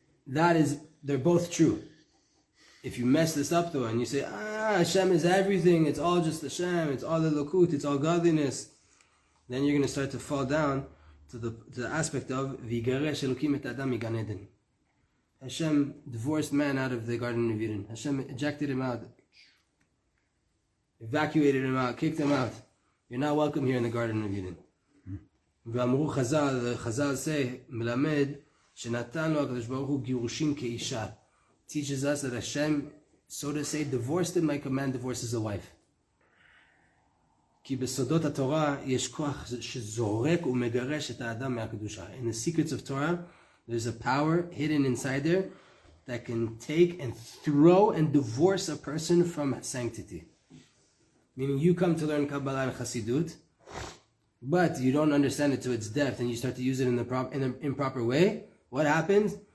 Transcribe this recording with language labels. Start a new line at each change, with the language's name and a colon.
English: That is, they're both true. If you mess this up though and you say, Hashem is everything, it's all just Hashem, it's all the Lokut, it's all godliness, then you're going to start to fall down to the aspect of
Hebrew: Vigaresh Elokim et Adam Migan Eden.
English: Hashem divorced man out of the Garden of Eden. Hashem ejected him out, evacuated him out, kicked him out. You're not welcome here in the Garden of Eden.
Hebrew: ואמרו חזל, חזל זה מלמד שנתן לו הקדוש ברוך הוא גירושים כאישה.
English: Teaches us that Hashem, so to say, divorced him like a man divorces a wife.
Hebrew: כי בסודות התורה יש כוח שזורק ומגרש את האדם מהקדושה.
English: In the secrets of Torah, there's a power hidden inside there that can take and throw and divorce a person from sanctity. Meaning you come to learn Kabbalah and Hasidut, but you don't understand it to its depth and you start to use it in an improper way, what happens?